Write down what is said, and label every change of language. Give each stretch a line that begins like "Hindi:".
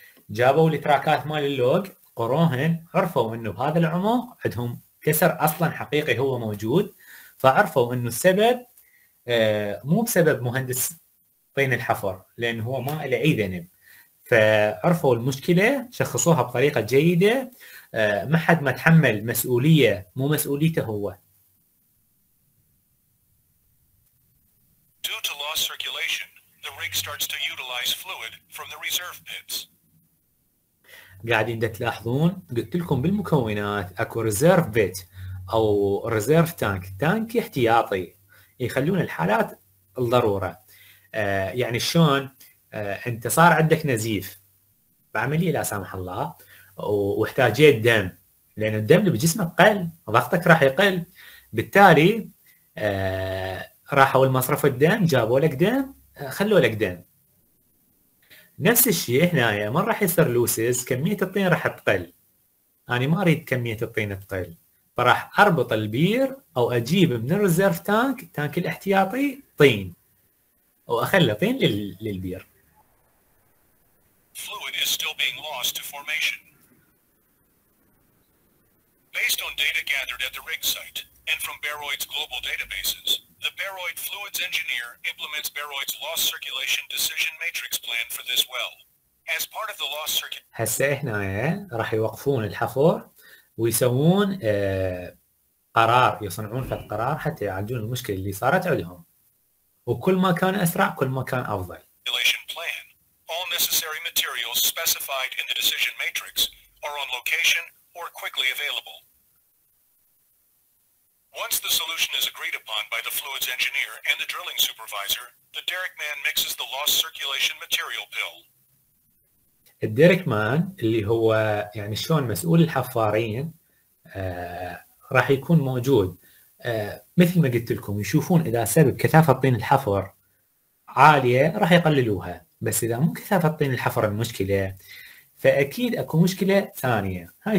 Arabic: جابوا التراكات مال اللوج قروهن، عرفوا انه بهذا العمق عندهم كسر اصلا حقيقي هو موجود، فعرفوا انه السبب مو بسبب مهندس طين الحفر لان هو ما له اي ذنب، فعرفوا المشكله شخصوها بطريقه جيده. ما حد ما تحمل مسؤوليه مو مسؤوليته هو.
English: Due to lost circulation, the rig starts to utilize fluid from the reserve pits.
Arabic: قاعدين تلاحظون قلت لكم بالمكونات اكو ريزيرف بيت او ريزيرف تانك، تانك احتياطي يخلون الحالات الضرورة. يعني شلون انت صار عندك نزيف بعملية لا سامح الله واحتاجيت دم، لان الدم اللي بجسمك قل ضغطك راح يقل، بالتالي راحوا المصرف الدم جابوا لك دم خلوا لك دم. نفس الشيء هنا من راح يصير لوسز كمية الطين راح تقل، يعني ما اريد كمية الطين تقل، فراح اربط البير او اجيب من الريزيرف تانك تانك الاحتياطي طين واخلي طين للبير.
English: Fluid is still being lost to formation. Based on data gathered at the rig site and from Baroid's global databases, the Baroid fluids engineer implements Baroid's lost circulation decision matrix plan for this well. As part of the lost circuit.
Arabic: هسه احنا راح يوقفون الحفر ويسوون قرار، يصنعون فت قرار حتى يعالجون المشكله اللي صارت عندهم، وكل ما كان اسرع كل ما كان افضل.
English: All necessary materials specified in the decision matrix are on location or quickly available. Once the solution is agreed upon by the fluids engineer and the drilling supervisor, the derrick man mixes the lost circulation material pill.
Arabic: الديريك مان اللي هو يعني شلون مسؤول الحفارين راح يكون موجود، مثل ما قلت لكم يشوفون اذا سبب كثافه طين الحفر عاليه راح يقللوها، بس اذا مو كثافه طين الحفر المشكله فاكيد اكو مشكله ثانيه.